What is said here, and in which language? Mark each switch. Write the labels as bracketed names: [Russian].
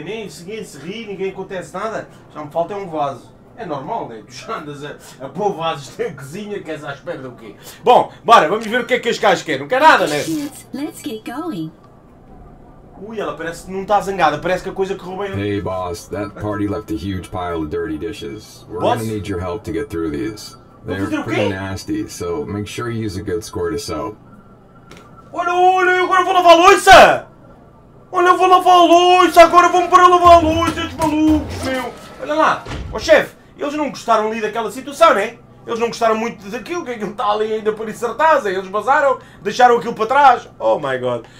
[Portuguese] Nem ninguém se ri, ninguém acontece nada. Já me falta um vaso. É normal, né? Tu já andas a pôr vasos na cozinha, queres à espera do quê? Bom, bora, vamos ver o que é que as caixas querem. Não quer nada, né? [English] Let's get going. [Portuguese] Ui, ela parece que não está zangada, parece que a coisa correu bem. [English] Hey boss, that party left a huge pile of dirty dishes. We're boss? Gonna need your help to get through these. They're pretty nasty, so make sure you use a good squirt of soap. [Portuguese] Olha, olha, agora vou lavar a louça! Olha, vou lavar a louça, agora vamos para lavar a louça, estes malucos, meu! Olha lá, ó chefe, eles não gostaram ali daquela situação, né? Eles não gostaram muito daquilo, que aquilo está ali ainda por insertar, Zé. Eles vazaram, deixaram aquilo para trás. [English] Oh my god.